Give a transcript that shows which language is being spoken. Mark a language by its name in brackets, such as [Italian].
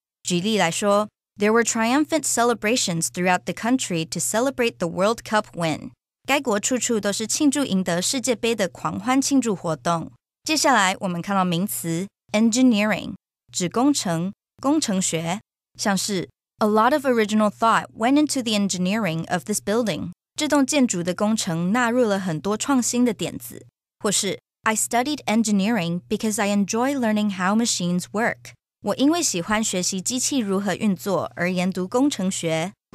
[Chinese] 举例来说 [English] ,There were triumphant celebrations throughout the country to celebrate the World Cup win. [Chinese] 该国处处都是庆祝赢得世界杯的狂欢庆祝活动。接下来我们看到名词 ,engineering, 指工程工程学。像是 [English] ,A lot of original thought went into the engineering of this building. [Chinese] 这栋建筑的工程纳入了很多创新的点子。或是 [English] I studied engineering because I enjoy learning how machines work. [Chinese] 我因为喜欢学习机器如何运作而研读工程学。